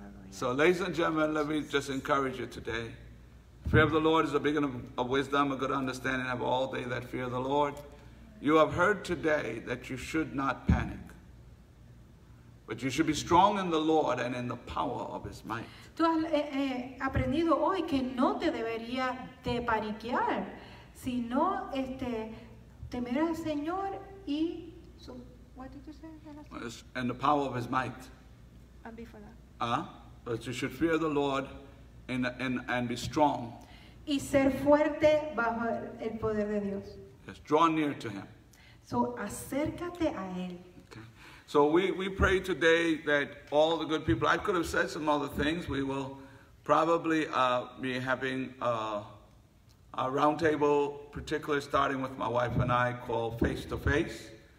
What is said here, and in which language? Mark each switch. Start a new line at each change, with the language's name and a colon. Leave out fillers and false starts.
English: So ladies and gentlemen, let me just encourage you today. Fear of the Lord is the beginning of wisdom, a good understanding of all they that fear the Lord. You have heard today that you should not panic, but you should be strong in the Lord and in the power of his might.
Spanish: Tú has aprendido hoy que no te debería de paniquear, sino temer al Señor y su...
English: What did you say? And the power of his might. And be for that. But you should fear the Lord and be strong.
Spanish: Y ser fuerte bajo el poder de Dios.
English: Yes, draw near to him.
Spanish: So acércate a él.
English: So we pray today that all the good people, I could have said some other things. We will probably be having a round table, particularly starting with my wife and I, called Face to Face.